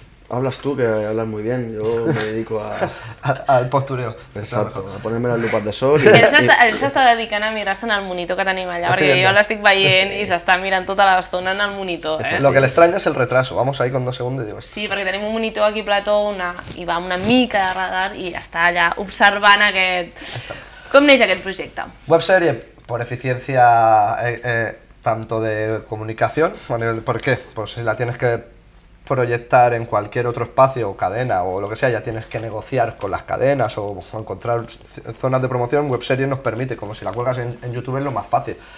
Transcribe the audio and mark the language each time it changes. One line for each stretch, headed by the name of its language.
Spanish: Hablas tú, que hablas muy bien. Yo me dedico a... al postureo. Exacto, a ponerme las lupas de sol.
Catalan: Ell s'està dedicant a mirar-se en el monitor que tenim allà, perquè jo l'estic veient i s'està mirant tota l'estona en el monitor.
Spanish: Lo que le extraña es el retraso. Vamos ahí con dos segundos y digo...
Catalan: Sí, perquè tenim un monitor aquí plató i va una mica de radar i està allà observant aquest... Com neix aquest projecte?
Spanish: Websèrie, por eficiencia tanto de comunicación, ¿por qué? Pues si la tienes que proyectar en cualquier otro espacio o cadena o lo que sea, ya tienes que negociar con las cadenas o encontrar zonas de promoción, webserie nos permite, como si la cuelgas en YouTube es lo más fácil.